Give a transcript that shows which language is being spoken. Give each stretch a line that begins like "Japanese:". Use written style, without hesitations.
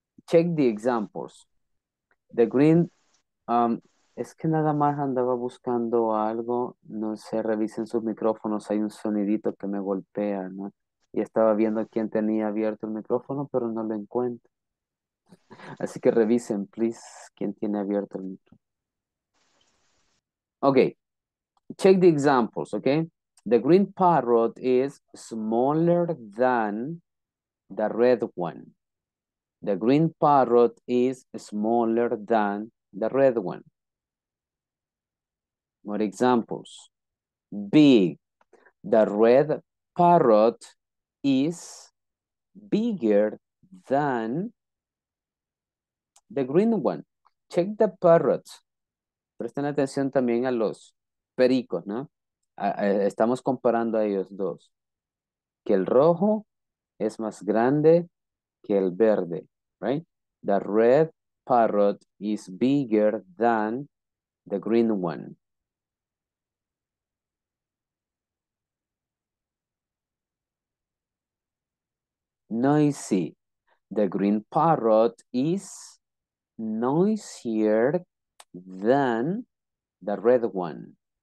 English: Check the examples. The green,
Spanish: es que nada más andaba buscando algo, no sé, revisen sus micrófonos, hay un sonidito que me golpea, ¿no? Y estaba viendo quién tenía abierto el micrófono, pero no lo encuentro. Así que revisen, please, quién tiene abierto el micrófono.
English: Ok. Check the examples, okay? The green parrot is smaller than the red one. The green parrot is smaller than the red one. More examples. B, the red parrot is bigger than the green one. Check the parrots.
Spanish: Presten atención también a los pericos, ¿no? Estamos comparando a ellos dos. Que el rojo es más grande que el verde, right?
English: The red parrot is bigger than the green one. Noisy. The green parrot is noisier than the red one.